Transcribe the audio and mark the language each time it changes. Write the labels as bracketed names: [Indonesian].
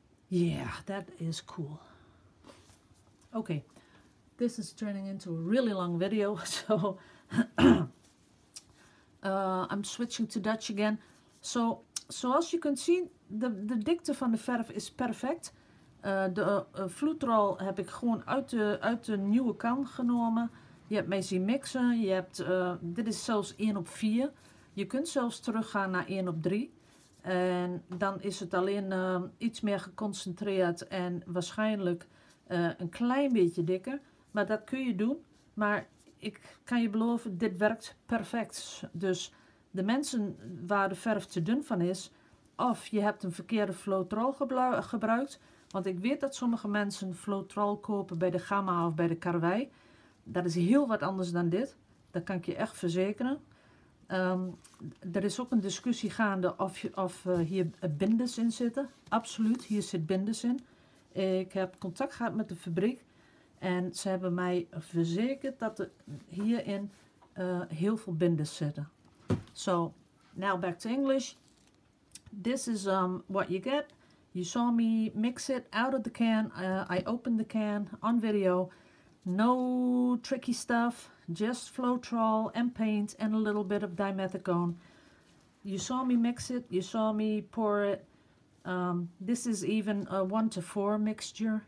[English] Yeah, that is cool. Okay, this is turning into a really long video, so I'm switching to Dutch again. So as you can see, the [Dutch] dikte van de verf is perfect. De floetrol heb ik gewoon uit de nieuwe kan genomen. Je hebt mee zien mixen. Je hebt, dit is zelfs 1 op 4. Je kunt zelfs teruggaan naar 1 op 3. En dan is het alleen iets meer geconcentreerd en waarschijnlijk een klein beetje dikker. Maar dat kun je doen. Maar ik kan je beloven, dit werkt perfect. Dus de mensen waar de verf te dun van is, of je hebt een verkeerde floetrol gebruikt. Want ik weet dat sommige mensen floetrol kopen bij de Gamma of bij de Karwei. Dat is heel wat anders dan dit. Dat kan ik je echt verzekeren. Er is ook een discussie gaande of hier binders in zitten. Absoluut, hier zit binders in. Ik heb contact gehad met de fabriek. En ze hebben mij verzekerd dat er hierin heel veel binders zitten. [English] So, now back to English. This is what you get. You saw me mix it out of the can. I opened the can on video. No tricky stuff. Just floetrol and paint and a little bit of dimethicone. You saw me mix it. You saw me pour it. This is even a 1-4 mixture.